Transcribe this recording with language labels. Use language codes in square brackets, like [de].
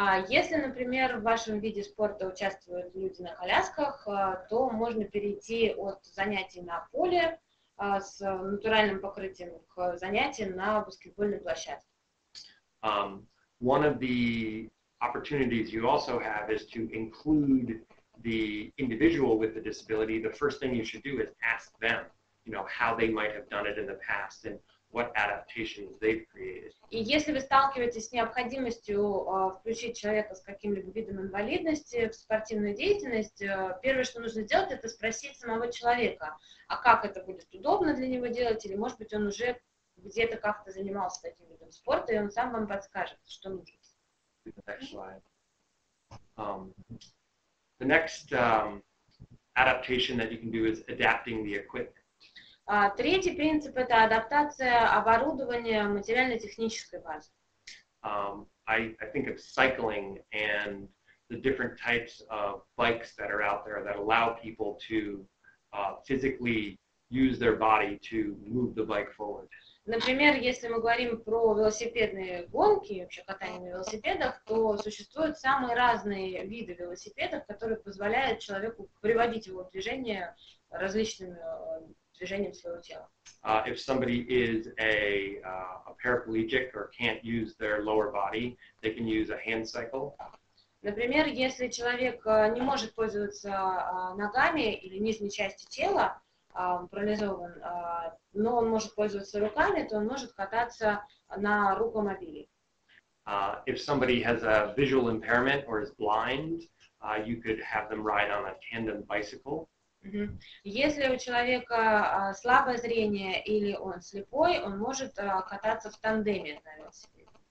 [ru] Если, например, в вашем виде спорта участвуют люди на колясках, то можно перейти от занятий на поле с натуральным покрытием к занятиям на баскетбольной площадке. [en] One of the opportunities you also have is to include the individual with the disability. The first thing you should do is ask them, you know, how they might have done it in the past and what adaptations they've created. [ru] И если вы сталкиваетесь с необходимостью включить человека с каким-либо видом инвалидности в спортивную деятельность, первое, что нужно сделать, это спросить самого человека, а как это будет удобно для него делать, или, может быть, он уже где-то как-то занимался таким видом спорта, и он сам вам подскажет, что нужно. [en] Next slide. The next adaptation that you can do is adapting the equipment. [ru] Третий принцип – это адаптация оборудования материально-технической базы. [en] I think of cycling and the different types of bikes that are out there that allow people to physically use their body to move the bike forward. [ru] Например, если мы говорим про велосипедные гонки, вообще катание на велосипедах, то существуют самые разные виды велосипедов, которые позволяют человеку приводить его в движение различными движением своего тела. [en] If somebody is a paraplegic or can't use their lower body, they can use a hand cycle. [ru] Например, если человек не может пользоваться ногами или нижней частью тела, парализован, но он может пользоваться руками, то он может кататься на рукомобиле. [en] If somebody has a visual impairment or is blind, you could have them ride on a tandem bicycle. [ru] Если у человека слабое зрение или он слепой, он может кататься в тандеме на велосипеде.